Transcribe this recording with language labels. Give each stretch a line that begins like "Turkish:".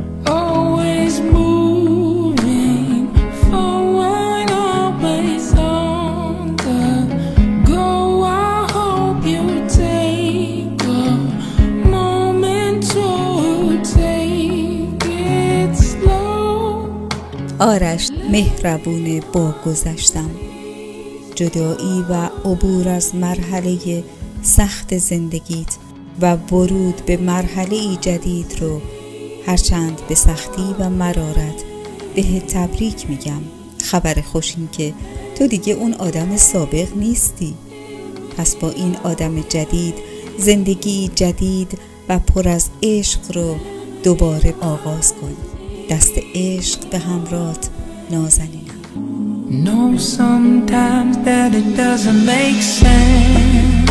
English: Always moving forward, always on the go. I hope you take a moment to take it slow.
Persian: آرش مهربون با گذشتم، جدایی و عبور از مرحله سخت زندگیت و ورود به مرحله جدید رو هرچند به سختی و مرارت بهت تبریک میگم. خبر خوش این که تو دیگه اون آدم سابق نیستی، پس با این آدم جدید زندگی جدید و پر از عشق رو دوباره آغاز کن. دست عشق به همراهت نازنینم.
English: No, sometimes that it doesn't make sense.